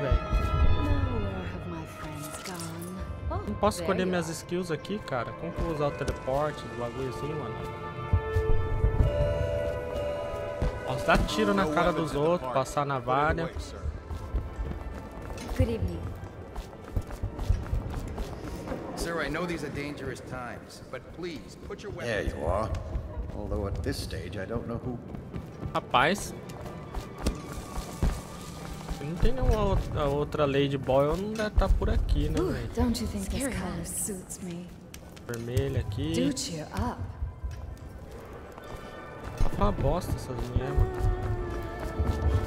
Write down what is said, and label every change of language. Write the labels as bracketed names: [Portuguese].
[Portuguese] velho? Não posso escolher minhas skills aqui, cara. Como que eu vou usar o teleporte, o bagulhozinho, mano? Posso dar tiro na cara dos outros, passar na vara. [English] Good evening. Sir, I know these are dangerous times, but please put your weapons. There you are. Although at this stage I don't know who. [Portuguese] Rapaz. Se não tem nenhuma outra Lady Boyle, não deve estar por aqui, né? [English] Don't you think this color suits me? [Portuguese] Vermelho aqui. [English] Do cheer up. [Portuguese] Uma bosta essas mulheres, mano.